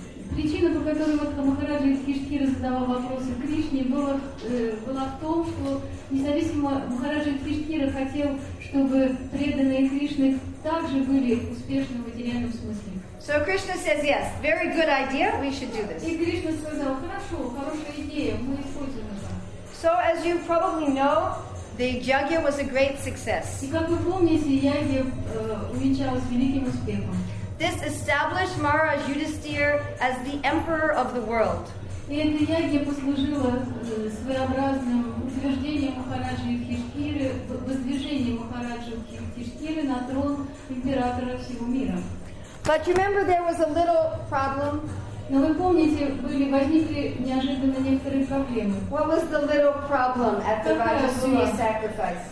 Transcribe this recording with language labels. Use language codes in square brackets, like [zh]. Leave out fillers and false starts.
[ru] Причина, по которой вот Махараджа Юдхиштхира задавал вопросы Кришне, была в том, что независимо Махараджа Юдхиштхира хотел, чтобы преданные Кришны также были успешны в материальном смысле. [en] So Krishna says, yes, very good idea, we should do this. [ru] И Кришна сказал, хорошо, хорошая идея, мы используем это. [en] So as you probably know, the yagya was a great success. [ru] И как вы помните, ягья увенчалась великим успехом. [en] This established Maharaj Yudhisthira as the emperor of the world. [ru] И эта ягья послужила своеобразным утверждением Махараджи Юдхиштхиры, воздвижением Махараджи Юдхиштхиры на трон императора всего мира. [en] But you remember there was a little problem? [ru] Но вы помните, возникли неожиданно некоторые проблемы. [en] What was the little problem at the Rajasuya sacrifice?